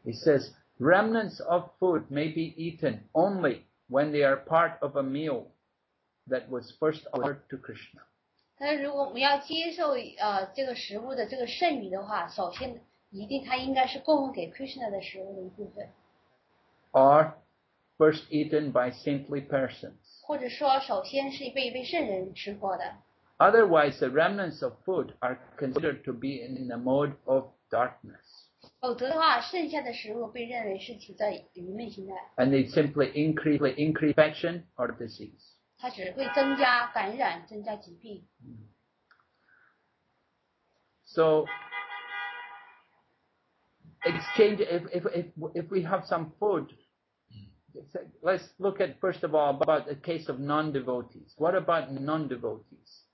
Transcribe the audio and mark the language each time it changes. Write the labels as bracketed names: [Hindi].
[English] He says remnants of food may be eaten only when they are part of a meal that was first offered to Krishna. [Chinese] 但是如果我们要接受这个食物的这个剩余的话，首先一定它应该是供奉给 Krishna 的食物的一部分。 [English] Or first eaten by saintly persons. [Chinese] 或者说首先是被一位圣人吃过的。 [English] Otherwise, the remnants of food are considered to be in the mode of darkness. [Chinese] 否则的话，剩下的食物被认为是处在愚昧心态。 [English] And they simply increase infection or disease. [Chinese] 它只会增加感染，增加疾病。 [English] So exchange if we have some food. Let's look at first of all about the case of non-devotees. What about non-devotees?